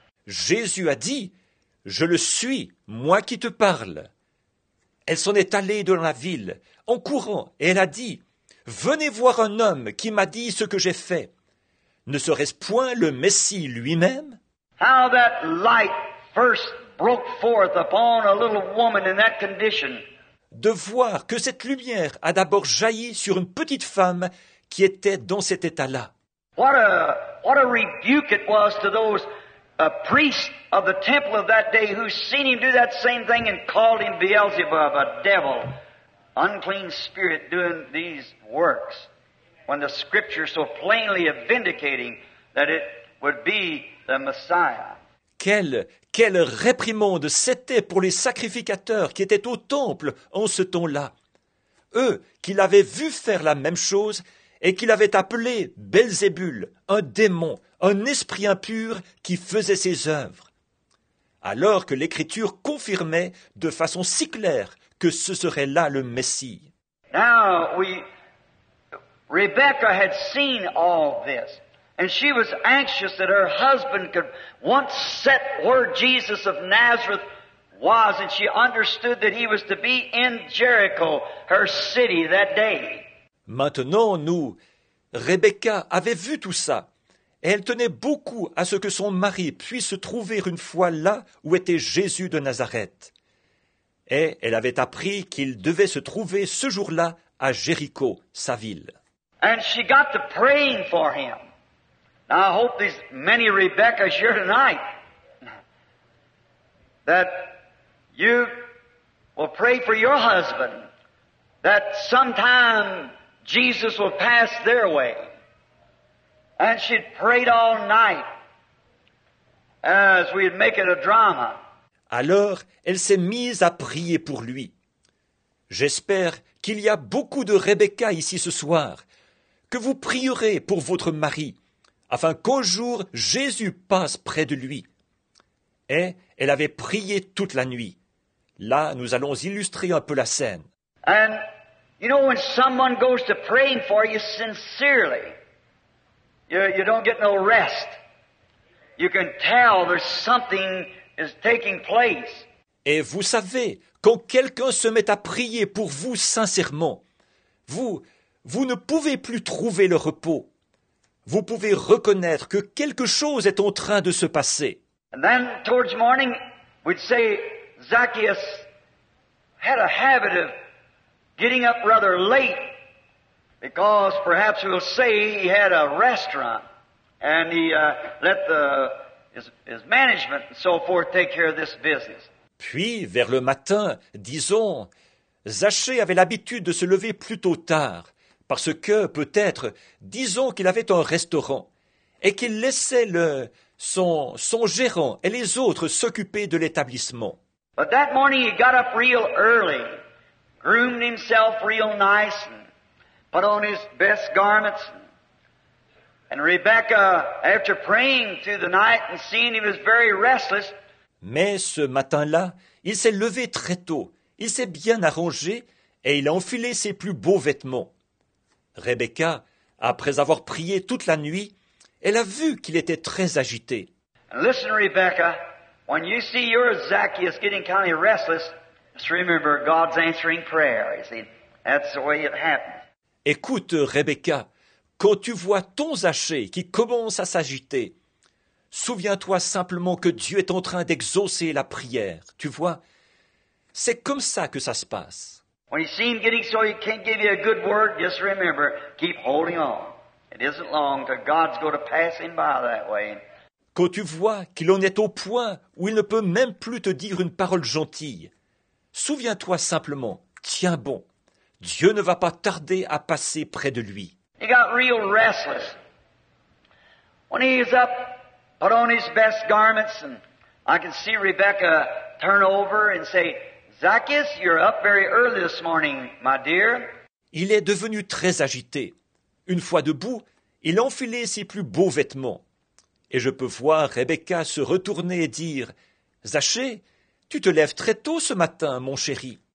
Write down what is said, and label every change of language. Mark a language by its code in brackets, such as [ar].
[fr] Jésus a dit, « Je le suis, moi qui te parle. » Elle s'en est allée dans la ville, en courant, et elle a dit, « Venez voir un homme qui m'a dit ce que j'ai fait. Ne serait-ce point le Messie lui-même ?» [en] How that light first broke forth upon a little woman in that condition. [fr] De voir que cette lumière a d'abord jailli sur une petite femme qui était dans cet état-là. [en] What a rebuke it was to those priests of the temple of that day who seen him do that same thing and called him Beelzebub, a devil, unclean spirit doing these works, when the scripture so plainly vindicating that it would be the Messiah. [fr] Quelle réprimande c'était pour les sacrificateurs qui étaient au temple en ce temps-là. Eux qui l'avaient vu faire la même chose et qui l'avaient appelé Belzébul, un démon, un esprit impur qui faisait ses œuvres. Alors que l'Écriture confirmait de façon si claire que ce serait là le Messie. [en] Now Rebecca had seen all this. And she was anxious that her husband could once set where Jesus of Nazareth was, and she understood that he was to be in Jericho, her city, that day. [fr] Maintenant, nous, Rebecca avait vu tout ça, et elle tenait beaucoup à ce que son mari puisse trouver une fois là où était Jésus de Nazareth. Et elle avait appris qu'il devait se trouver ce jour-là à Jéricho, sa ville. [en] And she got to praying for him. Now I hope these many Rebeccas here tonight that you will pray for your husband that sometime Jesus will pass their way. And she'd prayed all night as we'd make it a drama. [fr] Alors, elle s'est mise à prier pour lui. J'espère qu'il y a beaucoup de Rebeccas ici ce soir, que vous prierez pour votre mari, afin qu'au jour, Jésus passe près de lui. Et elle avait prié toute la nuit. Là, nous allons illustrer un peu la scène. [en] And, you know, when someone goes to praying for you sincerely, you don't get no rest. You can tell there's something is taking place. [fr] Et vous savez, quand quelqu'un se met à prier pour vous sincèrement, vous ne pouvez plus trouver le repos. Vous pouvez reconnaître que quelque chose est en train de se passer. [en] And then, towards morning, we'd say Zacchaeus had a habit of getting up rather late because perhaps we'll say he had a restaurant and he let his management and so forth take care of this business. [fr] Puis, vers le matin, disons, Zachée avait l'habitude de se lever plutôt tard. Parce que, peut-être, disons qu'il avait un restaurant et qu'il laissait son gérant et les autres s'occuper de l'établissement. [en] But that morning he got up real early, groomed himself real nice, and put on his best garments. And Rebecca, after praying through the night and seeing he was very restless. [fr] Mais ce matin-là, il s'est levé très tôt, il s'est bien arrangé et il a enfilé ses plus beaux vêtements. Rebecca, après avoir prié toute la nuit, elle a vu qu'il était très agité. [en] Listen, Rebecca, when you see your Zacchaeus getting kind of restless, just remember God's answering prayer. You see, that's the way it happens. [fr] Écoute, Rebecca, quand tu vois ton Zachée qui commence à s'agiter, souviens-toi simplement que Dieu est en train d'exaucer la prière. Tu vois, c'est comme ça que ça se passe. [en] When you see him getting so he can't give you a good word, just remember, keep holding on. It isn't long till God's going to pass him by that way. [fr] Quand tu vois qu'il en est au point où il ne peut même plus te dire une parole gentille, souviens-toi simplement, tiens bon, Dieu ne va pas tarder à passer près de lui. [en] He got real restless. When he's up, put on his best garments, and I can see Rebecca turn over and say, Zacchaeus, you're up very early this morning, my dear. [fr] Il est devenu très agité. Une fois debout, il a enfilé ses plus beaux vêtements. Et je peux voir Rebecca se retourner et dire, Zachée, tu te lèves très tôt ce matin, mon chéri.